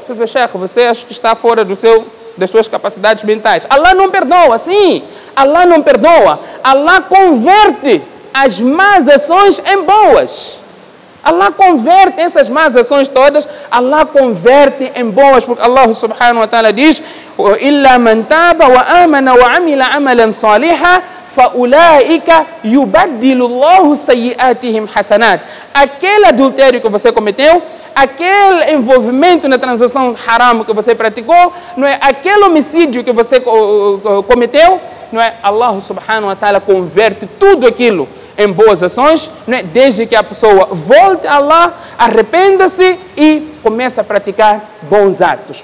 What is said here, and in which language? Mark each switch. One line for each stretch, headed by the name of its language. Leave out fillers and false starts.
Portuguese: Você, chefe, você acha que está fora do seu, das suas capacidades mentais. Allah não perdoa, sim. Allah não perdoa. Allah converte as más ações em boas. Allah converte essas más ações todas, Allah converte em boas. Porque
Arabic: Allah subhanahu wa ta'ala
Portuguese: diz,
Arabic: إِلَّا مَنْ تَابَ وَآمَنَ وَعَمِلَ عَمَلًا صَالِحًا فَأُولَٰئِكَ يُبَدِّلُ اللَّهُ سَيِّئَاتِهِمْ حَسَنَاتٍ.
Portuguese: Aquele adultério que você cometeu, aquele envolvimento na transação haram que você praticou, não é? Aquele homicídio que você cometeu, não é? Allah subhanahu wa ta'ala converte tudo aquilo em boas ações, não é? Desde que a pessoa volte a Allah, arrependa-se e comece a praticar bons atos.